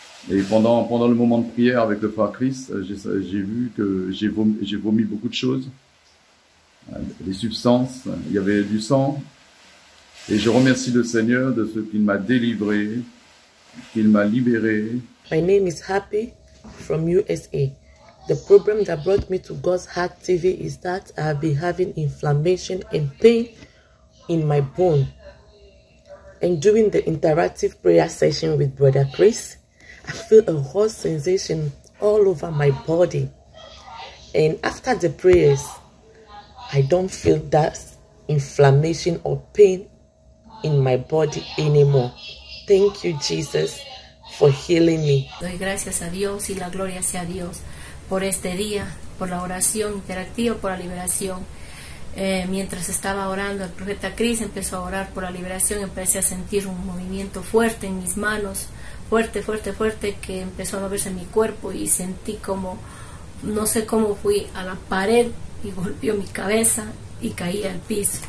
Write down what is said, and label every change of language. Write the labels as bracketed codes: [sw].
[fr] Et pendant le moment de prière avec le frère Chris, j'ai vomi beaucoup de choses, des substances, il y avait du sang, et je remercie le Seigneur de ce qu'il m'a délivré, qu'il m'a libéré. [en] My name is Happy from USA. The problem that brought me to God's Heart TV is that I have been having inflammation and pain in my bone. And during the interactive prayer session with Brother Chris, I feel a hot sensation all over my body. And after the prayers, I don't feel that inflammation or pain in my body anymore. Thank you, Jesus. For healing me. [es] Doy gracias a Dios y la gloria sea a Dios por este día, por la oración interactiva, por la liberación. Mientras estaba orando, el profeta Chris empezó a orar por la liberación. Empecé a sentir un movimiento fuerte en mis manos, fuerte, fuerte, fuerte, que empezó a moverse en mi cuerpo, y sentí como, no sé cómo, fui a la pared y golpeó mi cabeza y caí al piso.